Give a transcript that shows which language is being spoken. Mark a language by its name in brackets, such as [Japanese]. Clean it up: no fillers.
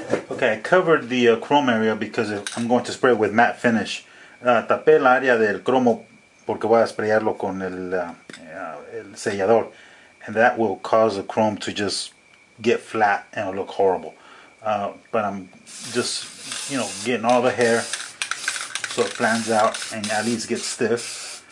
[English] Okay, I covered the chrome area because I'm going to spray it with matte finish. [Spanish] Tapé el área del cromo porque voy a sprayarlo con el sellador. [English] And that will cause the chrome to just get flat and look horrible. But I'm just, you know, getting all the hair so it flattens out and at least gets stiff.